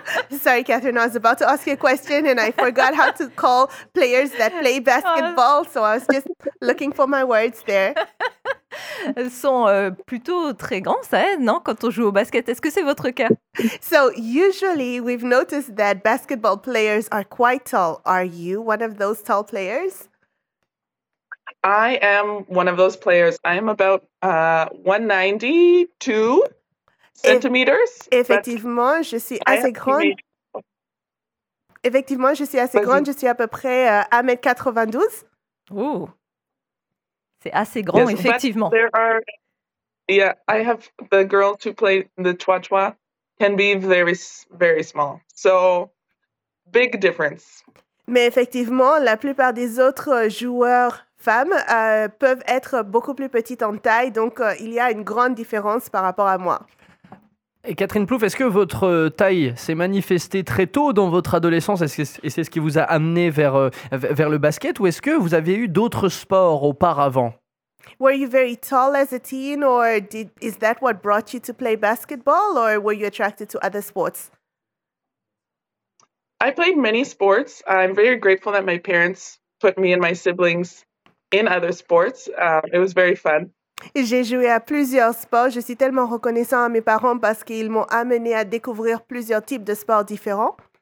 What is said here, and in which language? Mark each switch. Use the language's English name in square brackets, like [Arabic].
[English] Sorry, Catherine, I was about to ask you a question and I forgot how to call players that play basketball. So I was just looking for my words there. [French] Elles sont plutôt très grandes, ça aide, non, quand on joue au basket. Est-ce que c'est votre cas? [English] So usually we've noticed that basketball players are quite tall. Are you one of those tall players? I am one of those players. I am about 192 centimeters. [French] Effectivement, je suis assez grande. Effectivement, je suis assez grande. Je suis à peu près 1m92. Ooh. C'est assez grand, [English] yes, [French] effectivement. [English] There are, I have the girls who play the twa-twa can be very, very small. So, big difference. [French] Mais effectivement, la plupart des autres joueurs femmes peuvent être beaucoup plus petites en taille, donc il y a une grande différence par rapport à moi. Et Catherine Plouffe, est-ce que votre taille s'est manifestée très tôt dans votre adolescence et c'est ce qui vous a amené vers le basket, ou est-ce que vous avez eu d'autres sports auparavant? [English] Were you very tall as a teen, or is that what brought you to play basketball, or were you attracted to other sports? I played many sports. I'm very grateful that my parents put me and my siblings in other sports. It was very fun. [French] J'ai joué à plusieurs sports. Je suis tellement reconnaissant à mes parents parce qu'ils m'ont amené à découvrir plusieurs types de sports différents.